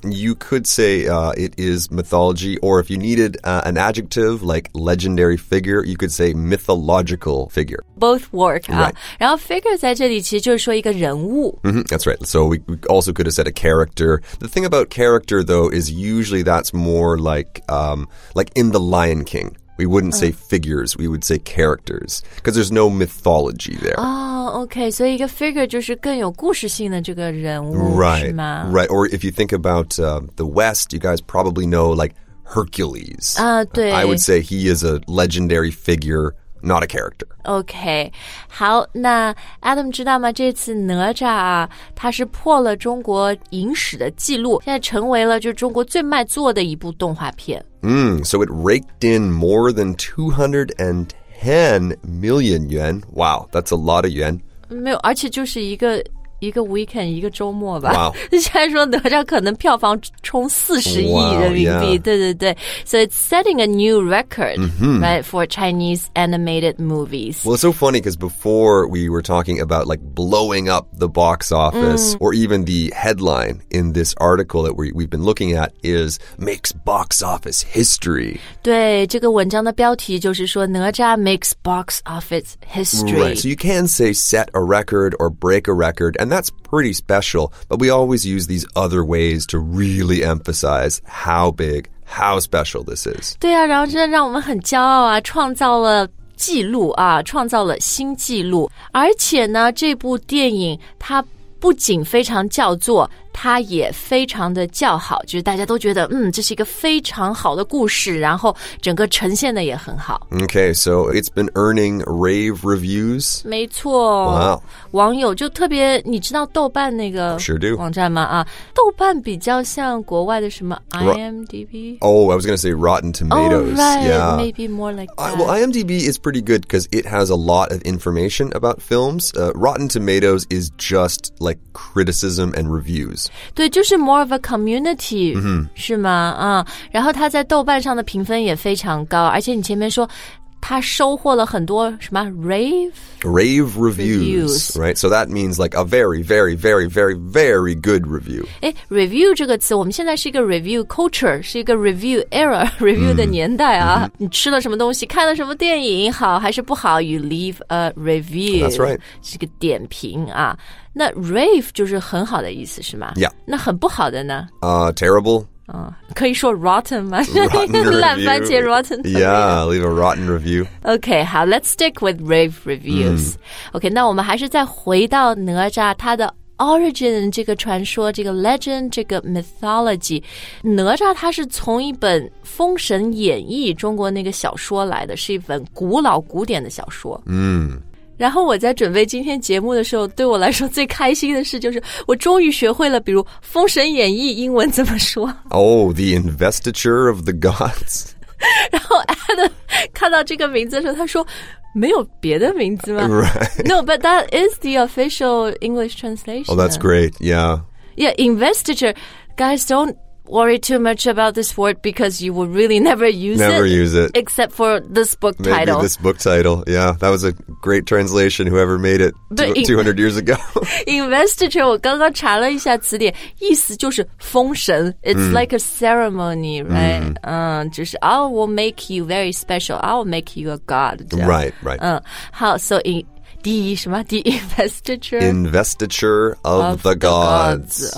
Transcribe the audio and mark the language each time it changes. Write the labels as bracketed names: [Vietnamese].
[English] You could say it is mythology, or if you needed an adjective like legendary figure, you could say mythological figure. Both work. Right. [Chinese] 然后 figure 在这里其实就是说一个人物。 [English] That's right. So we also could have said a character. The thing about character though is usually that's more like in The Lion King. We wouldn't say figures, we would say characters, because there's no mythology there. Oh, okay, so a figure [Chinese] 就是更有故事性的这个人物 [English] right, [Chinese] 是吗？ [English] Right, or if you think about the West, you guys probably know like Hercules. [Chinese] 对。 [English] I would say he is a legendary figure, not a character. [Chinese] Okay, 好，那 Adam 知道吗？这次哪吒啊，他是破了中国影史的记录，现在成为了就中国最卖座的一部动画片。 [English] So it raked in more than 210 million yuan. Wow, that's a lot of yuan. [Chinese] 没有，而且就是一个 weekend 一个周末吧。 [English] Wow. [Chinese] 现在说哪吒可能票房冲40亿人民币。 [English] Wow, yeah. [Chinese] 对对对。 [English] So it's setting a new record, right, for Chinese animated movies. Well, it's so funny because before we were talking about like blowing up the box office, or even the headline in this article that we've been looking at is makes box office history. [Chinese] 对，这个文章的标题就是说哪吒 [English] makes box office history. Right, so you can say set a record or break a record, and that's pretty special, but we always use these other ways to really emphasize how big, how special this is. [Chinese] 对啊，然后真的让我们很骄傲啊，创造了记录啊，创造了新记录。而且呢，这部电影它不仅非常叫座，它也非常的叫好，就是大家都觉得，嗯，这是一个非常好的故事，然后整个呈现的也很好。 [English] Okay, so it's been earning rave reviews. [Chinese] 没错。 [English] Wow. [Chinese] 网友就特别，你知道豆瓣那个网站吗？ [English] Sure do. [Chinese] 啊，豆瓣比较像国外的什么 IMDb? [English] Oh, I was going to say Rotten Tomatoes. Oh, right. Yeah. Maybe more like that. Well, IMDb is pretty good because it has a lot of information about films. Rotten Tomatoes is just like criticism and reviews. [Chinese] 对，就是 [English] more of a community,、 mm-hmm. [Chinese] 是吗？然后他在豆瓣上的评分也非常高，而且你前面说他收获了很多什么 rave [English] reviews, right? So that means like a very, very, very, very, very good review. [Chinese] 哎 ，review 这个词，我们现在是一个 review culture, 是一个 review era, review 的年代啊。 [English] Mm-hmm. [Chinese] 你吃了什么东西，看了什么电影，好还是不好 ？ [English] You leave a review. That's right. [Chinese] 是个点评啊。那 rave 就是很好的意思是吗 [English] ？Yeah. [Chinese] 那很不好的呢 [English] ？Terrible. [Chinese] 可以说 rotten 吗？ [English] Rotten [Chinese] 烂番茄 rotten. [English] Yeah, leave a rotten review. Okay, 好 ，let's stick with rave reviews.、Mm. [Chinese] Okay, 那我们还是再回到哪吒他的 origin 这个传说，这个 legend， 这个 mythology。哪吒他是从一本《封神演义》中国那个小说来的，是一本古老古典的小说。嗯、mm.。然后我在准备今天节目的时候，对我来说最开心的事就是我终于学会了，比如《封神演义》英文怎么说。 [English] Oh, the investiture of the gods. [Chinese] 然后 Adam 看到这个名字的时候，他说没有别的名字吗 [English] ？Right. No, but that is the official English translation. Oh, that's great. Yeah. Yeah, investiture. Guys, don't. Worry too much about this word because you will really never use never it. Never use it. Except for this book Maybe title. Maybe this book title. Yeah, that was a great translation, whoever made it 200 years ago. [Chinese] Investiture, 我刚刚查了一下词典，意思就是封神。 [English] It's、mm. like a ceremony, right?、Mm. 就是 I will make you very special. I will make you a god. Right, right. [Chinese] 好 [English] so in... [Chinese] 第什么？第 investiture [English] investiture of the gods